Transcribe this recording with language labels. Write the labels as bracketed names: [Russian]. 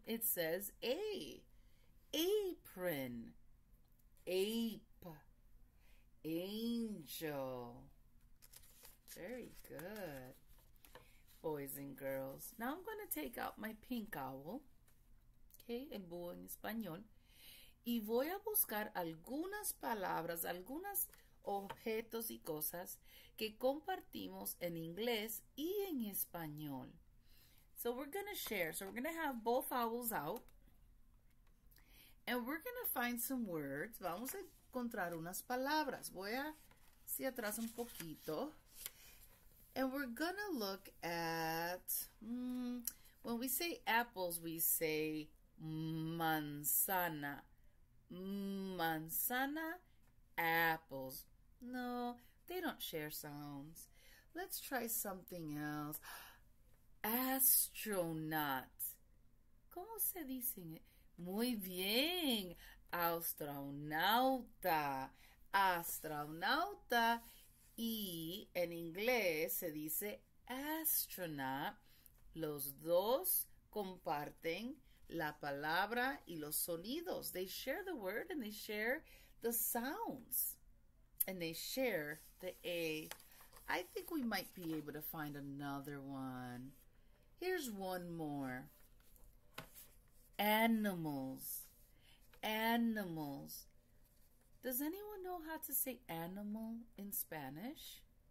[English] It says A. Apron. Ape. Angel. Very good, boys and girls. Now I'm going to take out my pink owl. [Spanish] Okay, el búho en español. Y voy a buscar algunas palabras, algunas objetos y cosas que compartimos en inglés y en español. [English] So we're going to share. So we're going to have both owls out. And we're going to find some words. [Spanish] Vamos a encontrar unas palabras. Voy a hacia atrás un poquito. [English] And we're going to look at, when we say apples, we say manzana. Manzana, apples. No, they don't share sounds. Let's try something else. Astronaut. [Spanish] ¿Cómo se dicen? Muy bien. Astronauta. Astronauta. Y en inglés se dice astronaut. Los dos comparten la palabra y los sonidos. [English] They share the word and they share the sounds. And they share the A. I think we might be able to find another one. Here's one more. Animals. Animals. Does anyone know how to say animal in Spanish?